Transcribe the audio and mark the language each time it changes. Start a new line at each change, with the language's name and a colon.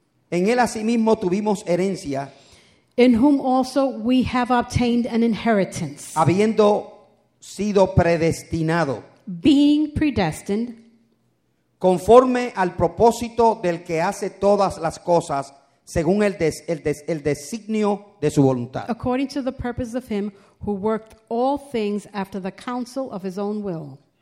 Spanish: En él asimismo tuvimos herencia,
English: in whom also we have obtained an inheritance,
Spanish: habiendo sido predestinado,
English: being predestined,
Spanish: conforme al propósito del que hace todas las cosas según el designio de su voluntad,
English: according to the purpose of him who worked all things after the counsel of his own will.